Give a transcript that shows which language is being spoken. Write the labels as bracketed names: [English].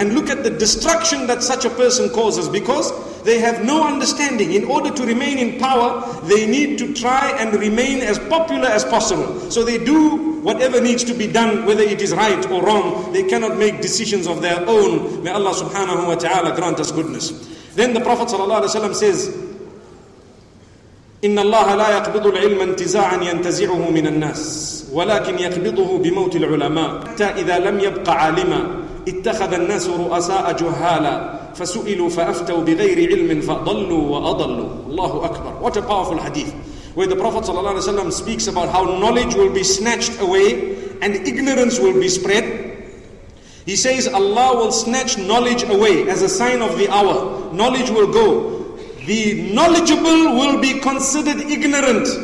[English] And look at the destruction that such a person causes, because they have no understanding. In order to remain in power, they need to try and remain as popular as possible. So they do whatever needs to be done, whether it is right or wrong. They cannot make decisions of their own. May Allah subhanahu wa ta'ala grant us goodness. Then the Prophet sallallahu alaihi wasallam says, [Arabic] إِنَّ اللَّهَ لَا يَقْبِضُ الْعِلْمَ انْتِزَاعًا يَنْتَزِعُهُ مِنَ النَّاسِ وَلَكِنْ يَقْبِضُهُ بِمَوْتِ الْعُلَمَاءِ حَتَّى إِذَا لَمْ يَبْقَ عَالِمًا اتَّخَذَ النَّاسُ رُؤَسَاءَ جُهَّالًا فَسُئِلُوا فَأَفْتَوْا بِغَيْرِ عِلْمٍ فَضَلُّوا وَأَضَلُّوا. الله أكبر. [English] What a powerful hadith, where the Prophet sallallahu alaihi wasallam speaks about how knowledge will be snatched away and ignorance will be spread. He says Allah will snatch knowledge away as a sign of the hour. Knowledge will go. The knowledgeable will be considered ignorant.